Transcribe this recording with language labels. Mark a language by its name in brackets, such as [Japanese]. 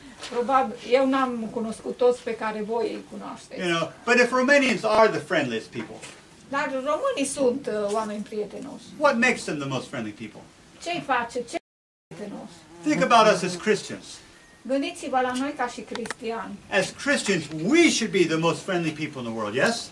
[Romanian] Probabil eu n-am cunoscut toți pe care voi îi cunoașteți. [English] You know, but if Romanians are the friendliest people. [Romanian] Dar românii sunt oameni prietenoși. [English] What makes them the most friendly people? [Romanian] Ce face ce prietenoși? [English] Think about us as Christians. [Romanian] Gândiți-vă la noi ca și creștini. [English] As Christians, we should be the most friendly people in the world, yes?